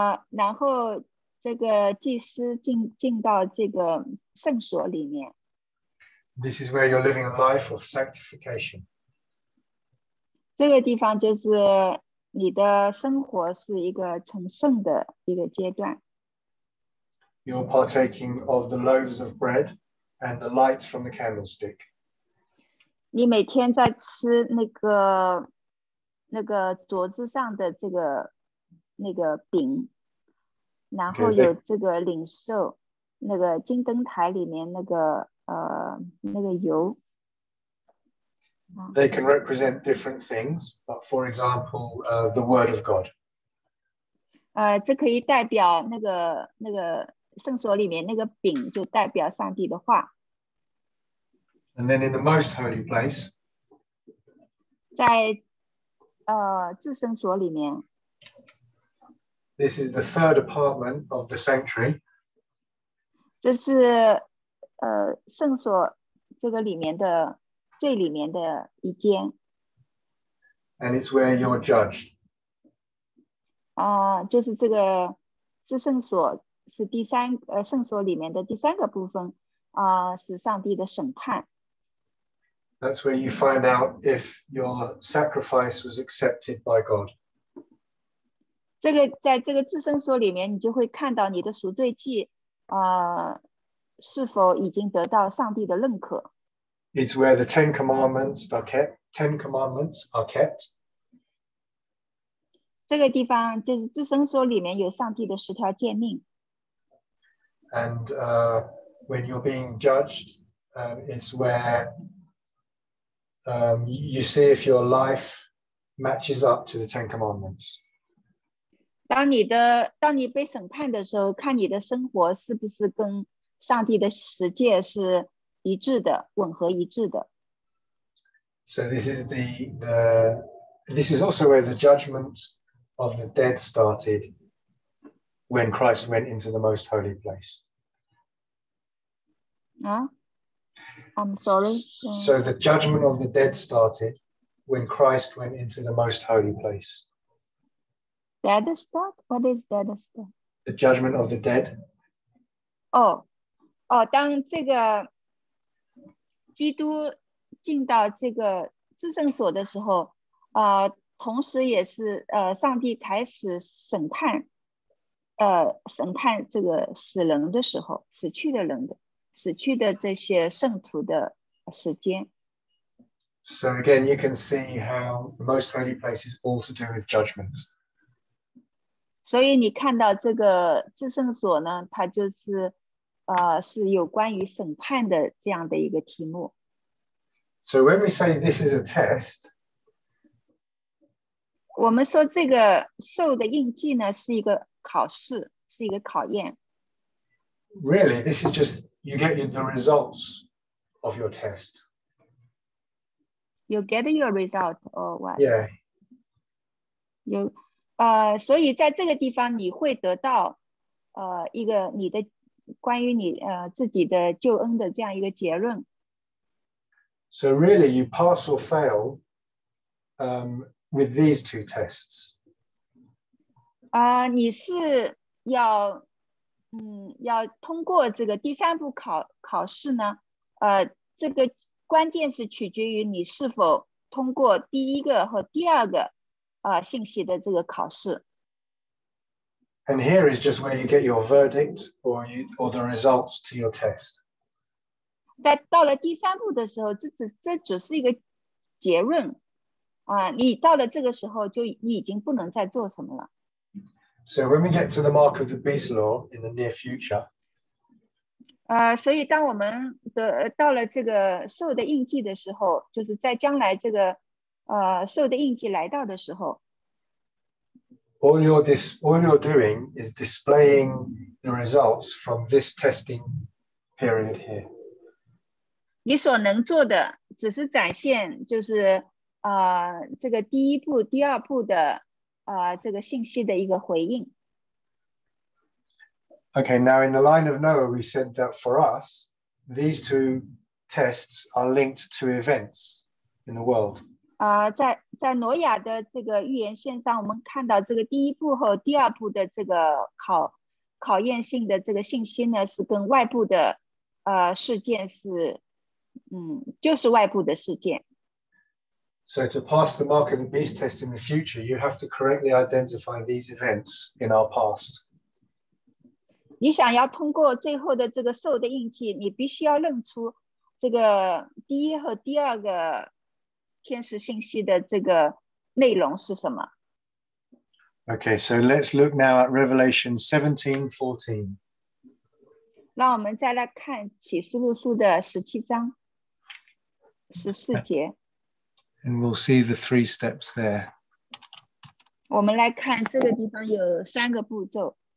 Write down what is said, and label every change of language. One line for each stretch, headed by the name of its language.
Chinese: 然后这个祭司进到这个圣所里面。
English: This is where you're living a life of sanctification.
Chinese: 这个地方就是你的生活是一个成圣的一个阶段。
English: You're partaking of the loaves of bread and the light from the candlestick.
Chinese: 你每天在吃那个桌子上的这个那个饼，然后有这个领受那个金灯台里面那个。那个油。
English: They can represent different things, but for example, the word of God.
Chinese: 这可以代表那个圣所里面那个饼就代表上帝的话。
English: And then in the most holy place.
Chinese: 在至圣所里面。
English: This is the third apartment of the sanctuary.
Chinese: 这是。圣所这个里面的最里面的一间。
English: And it's where you're judged.
Chinese: 就是这个至圣所是第三圣所里面的第三个部分是上帝的审判。
English: That's where you find out if your sacrifice was accepted by God.
Chinese: 这个在这个至圣所里面，你就会看到你的赎罪祭是否已经得到上帝的认可。
English: It's where the Ten Commandments are kept. Ten Commandments are kept.
Chinese: 这个地方就是至圣所里面有上帝的十条诫命。
English: And when you're being judged, it's where you see if your life matches up to the Ten Commandments.
Chinese: 当你被审判的时候，看你的生活是不是跟上帝的十诫是一致的，吻合一致的。
English: So this is this is also where the judgment of the dead started when Christ went into the most holy place. I'm sorry. So the judgment of the dead started when Christ went into the most holy place. Dead start? What is dead start? The judgment of the dead.
Chinese: Oh, oh, 当这个基督进到这个至圣所的时候，同时也是上帝开始审判，审判这个死人的时候，死去的人的，死去的这些圣徒的时间。
English: So again, you can see how the most holy place is all to do with judgment.
Chinese: 所以你看到这个至圣所呢，它就是是有关于审判的这样的一个题目。
English: So when we say this is a test,
Chinese: 我们说这个受的印记呢是一个考试，是一个考验。
English: Really, this is just you get the results of your test. You get your result or what? Yeah.
Chinese: 所以在这个地方你会得到一个你的关于你自己的救恩的这样一个结论。
English: So really, you pass or fail with these two tests.
Chinese: 你是要要通过这个第三步考试呢？这个关键是取决于你是否通过第一个和第二个信息的这个考试。
English: And here is just where you get your verdict or the results to your test.
Chinese: 但到了第三步的时候，这只是一个结论。你到了这个时候就你已经不能再做什么了。
English: So when we get to the mark of the beast law in the near future.
Chinese: 所以当我们到了这个兽的印记的时候，就是在将来这个兽的印记来到的时候。
English: All you're doing is displaying the results from this testing period here.
Chinese: 你所能做的只是展现，就是这个第一步、第二步的这个信息的一个回应。
English: Okay, now in the line of Noah, we said that for us, these two tests are linked to events in the world.
Chinese: 在挪亚的这个预言线上，我们看到这个第一步和第二步的这个考验性的这个信息呢，是跟外部的事件是就是外部的事件。
English: So to pass the mark of the beast test in the future, you have to correctly identify these events in our past.
Chinese: 你想要通过最后的这个兽的印记，你必须要认出这个第一和第二个天使信息的这个内容是什么。
English: Okay, so let's look now at Revelation 17:14.
Chinese: 让我们再来看启示录书的十七章十四节。
English: And we'll see the three steps there.
Chinese: 我们来看这个地方有三个步骤。